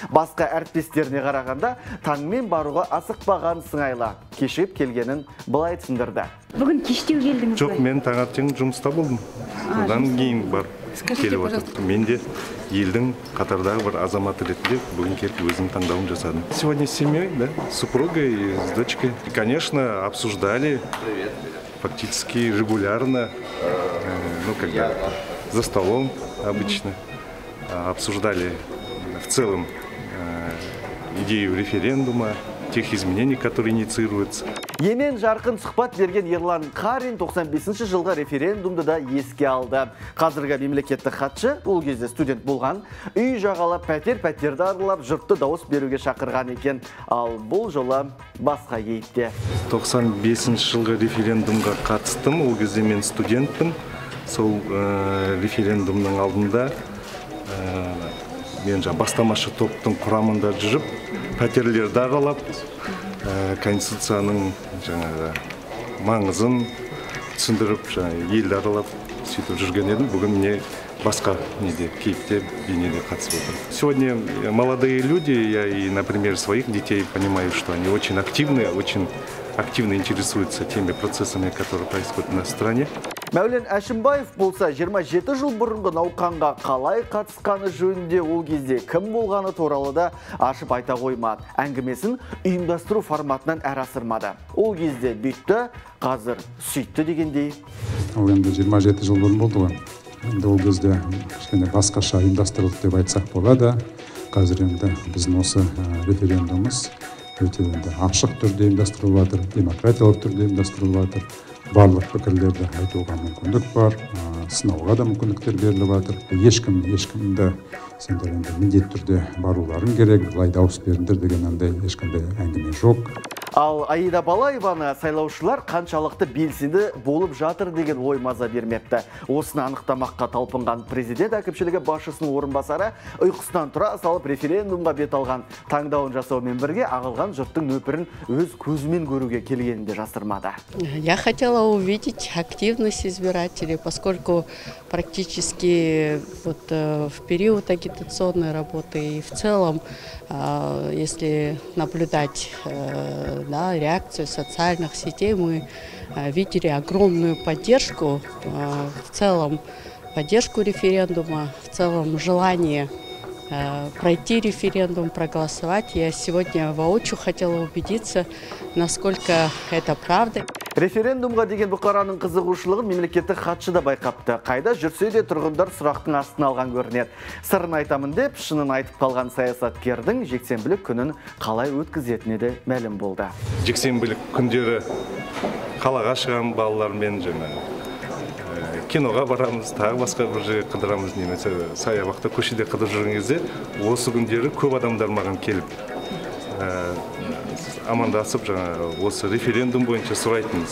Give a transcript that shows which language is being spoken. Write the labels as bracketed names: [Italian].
[Kazakh] Басқа әріптестеріне қарағанда таңмен баруға асықпаған сыңайлы, кешігіп келгенін былай түсіндірді. Бүгін кештеу келдіңіз бе? Жоқ, мен таңертең жұмыста болдым. Одан кейін барып келіп отырдым. Мен де елдің қатардағы бір азаматы ретінде бүгін келіп өзім таңдауын жасадым. [Russian] Сегодня с семьей, да? Супруга и с дочкой. Конечно, обсуждали фактически регулярно, ну, когда за столом обычно обсуждали в целом идею референдума, тех изменений, которые инициируются. [Kazakh] Емен жарқын сұхбат берген Ерлан Қарин 95-ші жылғы референдумды да еске алды. Қазіргі мемлекеттік хатшы ол кезде студент болған, үй жағалап, пәтер-пәтерді аралап, жұртты дауыс беруге шақырған екен. Ал бұл жолы басқа кейіпте. 95-ші жылғы референдумға қатыстым. Ол кезде мен студентпін. Сол референдумның алдында мен жа бастамашы топтың құрамында жүріп, пәтерлерді аралап, Конституцияның жаңағы маңызын түсіндіріп, елді аралап сөйтіп жүрген едім. Бүгін мен басқа неде кейіпте бейнеде қатысып отырмын. [Russian] Сегодня молодые люди, я и, например, своих детей понимаю, что они очень активно интересуются теми процессами, которые происходят на стране. [Kazakh] Мәулен Әшімбаев болса 27 жыл бұрынғы науқанға қалай қатысқаны жөнінде ол кезде кім болғаны туралы да ашып айта қоймады. Әңгімесін ұйымдастыру форматынан әрі асырмады. Ол кезде бүйтті, қазір сүйтті дегендей. Ол енді 27 жыл бұрын болды ғой. Енді ол кезде кішкене басқаша ұйымдастырылды деп айтсақ болады. Қазір енді біздің осы референдумымыз өте енді ашық түрде ұйымдастырылып жатыр, демократиялық түрде ұйымдастырылып жатыр. Барлық пікірлерді айтуға мүмкіндік бар, сынауға да мүмкіндіктер беріліп жатыр. Ешкімді сендер енді міндетті түрде баруларың керек, былай дауыс беріңдер деген андай ешқандай әңгіме жоқ. Ал Аида Балаеваны сайлаушылар қаншалықты белсенді болып жатыр деген ой маза бермепті. Осыны анықтамаққа талпынған президент әкімшілігі басшысының орынбасары ұйқысынан тұра салып референдумға бет алған, таңдауын жасаумен бірге ағылған жұрттың нөпірін өз көзімен көруге келгенін де жасырмады. [Russian] Я хотела увидеть активность избирателей, поскольку практически вот в период агитационной работы и в целом, если наблюдать реакцию социальных сетей, мы видели огромную поддержку, в целом поддержку референдума, в целом желание пройти референдум, проголосовать. Я сегодня воочию хотела убедиться, насколько это правда. [Kazakh] Референдумға деген бұқараның қызығушылығын мемлекеттік хатшы да байқапты. Қайда жүрсе де тұрғындар сұрақтың астына алған көрінеді. Сырын айтамын деп, шынын айтып қалған саясаткердің жексенбілік күнін қалай өткізетіні де мәлім болды. Жексенбілік күндері қалаға шығамын балалармен, киноға барамыз, тағы басқа бір жерге қыдырамыз, немесе саябақта көшеде қыдырып жүрген кезде осы күндері көп адамдар маған келіп амандасып, осы референдум бойынша сұрайтын.